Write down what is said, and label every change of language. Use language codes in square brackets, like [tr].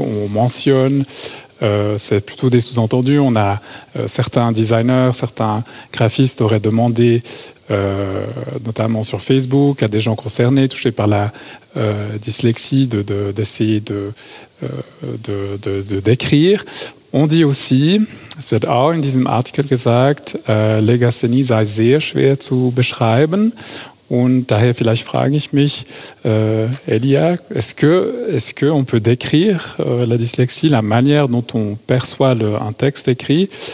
[fr] On mentionne, c'est plutôt des sous-entendus. On a certains designers, certains graphistes auraient demandé, notamment sur Facebook, à des gens concernés, touchés par la dyslexie, d'essayer de d'écrire. On dit aussi, [de] es wird auch in diesem Artikel gesagt, Legasthenie sei sehr schwer zu beschreiben. Und daher vielleicht frage ich mich, [fr] Elia, est-ce que on peut décrire la dyslexie, la manière dont on perçoit un texte écrit?